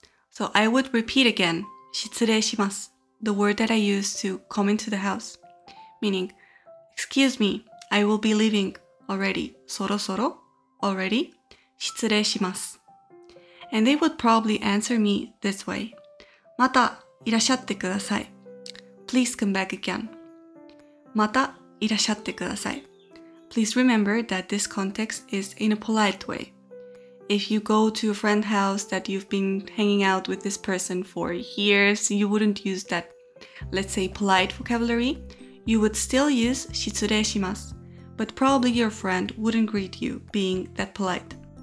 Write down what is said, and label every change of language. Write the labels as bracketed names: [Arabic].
[English] So I would repeat again [Japanese] 失礼します。 [English] The word that I use to come into the house. Meaning, excuse me, I will be leaving already. [Japanese] そろそろ already 失礼します。 [English] And they would probably answer me this way. [Japanese] またいらっしゃってください。 [English] Please come back again. [Japanese] またいらっしゃってください。 [English] Please remember that this context is in a polite way. If you go to a friend's house that you've been hanging out with this person for years, you wouldn't use that, let's say, polite vocabulary. You would still use [Japanese] 失礼します。 [English] But probably your friend wouldn't greet you being that polite.